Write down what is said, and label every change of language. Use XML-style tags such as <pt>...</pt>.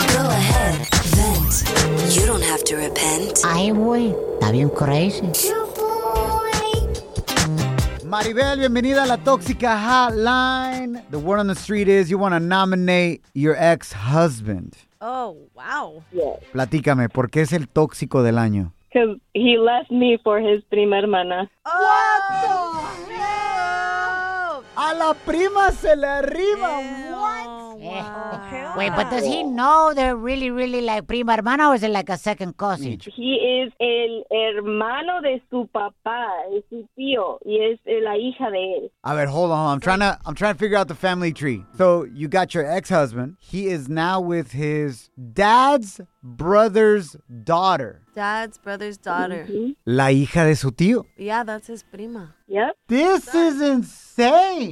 <en>Go ahead. Vent. You don't have to repent.</en> <es>Ay, güey. Está bien crazy. Maribel, bienvenida a la Tóxica Hotline.</es> <en>The word on the street is you want to nominate your ex-husband. Oh, wow. Yes.</en> <es>Platícame, ¿por qué es el tóxico del año?</es> <en>Because he left me for his</en> <es>prima hermana.</es> <en>Oh, what the hell?</en> <es>A la prima se le arriba.</es> <en>Ew. What? Wow. Wait, but does he know they're really, really like</en> <es>prima hermana</es> <en>or is it like a second cousin? He is</en> <es>el hermano de su papá, es su tío, y es la hija de él. A ver,</es> <en>hold on, I'm trying to figure out the family tree. So you got your ex-husband. He is now with his dad's brother's daughter. Dad's brother's daughter. Mm-hmm.</en> <es>La hija de su tío.</es> <en>Yeah, that's his prima. Yep. This is insane.</en>